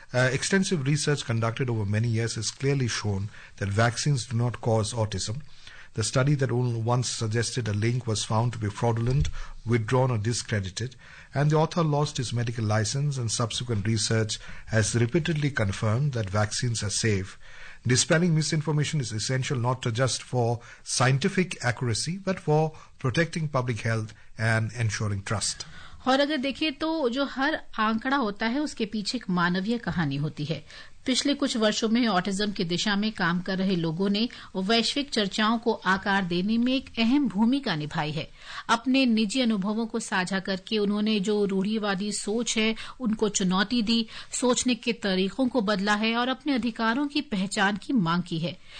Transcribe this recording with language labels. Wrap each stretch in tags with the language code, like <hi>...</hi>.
<en>Extensive research conducted over many years has clearly shown that vaccines do not cause autism. The study that only once suggested a link was found to be fraudulent, withdrawn और discredited, and the author lost his medical licence. And subsequent research has repeatedly confirmed that vaccines are safe. Dispelling misinformation is essential not just for scientific accuracy but for protecting public health and ensuring trust.</en> <hi>और अगर देखें तो जो हर आंकड़ा होता है उसके पीछे एक मानवीय कहानी होती है। पिछले कुछ वर्षों में ऑटिज्म की दिशा में काम कर रहे लोगों ने वैश्विक चर्चाओं को आकार देने में एक अहम भूमिका निभाई है। अपने निजी अनुभवों को साझा करके उन्होंने जो रूढ़िवादी सोच है उनको चुनौती दी, सोचने के तरीकों को बदला है और अपने अधिकारों की पहचान की मांग की है।</hi>